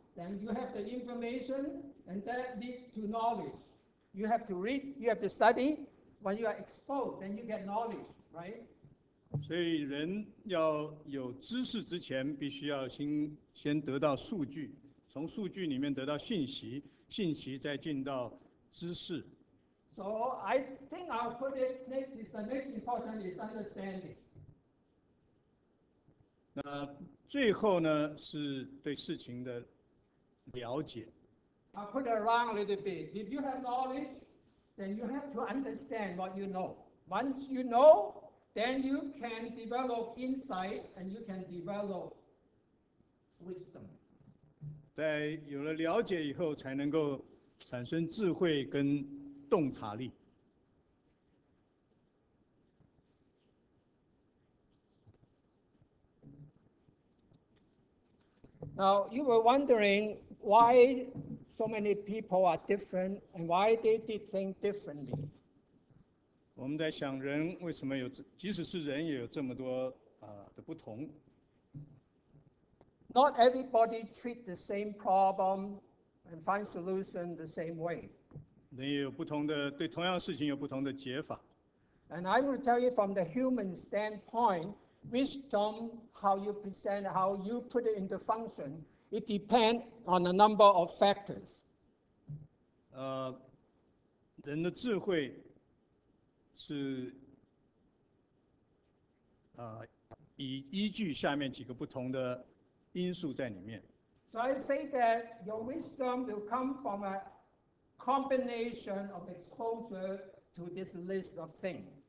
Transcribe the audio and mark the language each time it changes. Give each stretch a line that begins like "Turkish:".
English: Then you have the information, and that leads to knowledge. You have to read, you have to study. When you are exposed, then you get knowledge, right?
Chinese: 所以人要有知识之前，必须要先得到数据，从数据里面得到信息，信息再进到知识。
English: So I think I'll put it next. Is the next important is understanding.
Chinese: 那最后呢，是对事情的了解。
English: I'll put it around a little bit. If you have knowledge, then you have to understand what you know. Once you know, then you can develop insight and you can develop wisdom.
Chinese: 在有了了解以后，才能够产生智慧跟洞察力。
English: Now, you were wondering why so many people are different and why they did things differently.
Chinese: 我们在想人为什么有，即使是人也有这么多的不同。
English: Not everybody treat the same problem and find solution the same way.
Chinese: 人也有不同的，对同样事情有不同的解法。
English: And I will tell you from the human standpoint, wisdom, how you present, how you put it into function,It depends on a number of factors.
Chinese: 人的智慧是依据下面几个不同的因素在里面。
English: So I say that your wisdom will come from a combination of exposure to this list of things.